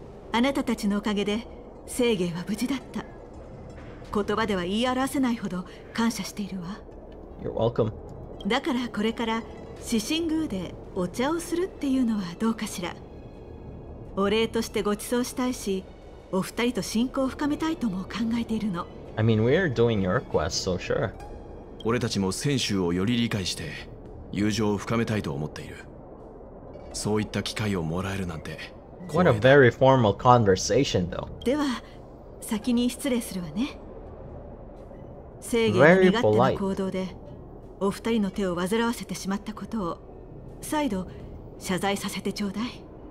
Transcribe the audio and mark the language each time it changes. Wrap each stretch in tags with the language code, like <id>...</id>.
<ja>あなたたちのおかげで、セイゲイは無事だった。言葉では言い表せないほど感謝しているわ。</ja> <en>You're welcome.</en> <ja>だからこれから四神宮でお茶をするっていうのはどうかしら。お礼としてご馳走したいし、お二人と親交を深めたいとも考えているの。</ja> <en>I mean, we are doing your quest, so sure.</en> <ja>俺たちも泉州をより理解して、友情を深めたいと思っている。そういった機会をもらえるなんて。</ja> <en>What a very formal conversation, though.</en> <ja>では、先に失礼するわね。正義の身勝手な行動で、お二人の手を煩わせてしまったことを、再度謝罪させてちょうだい。</ja>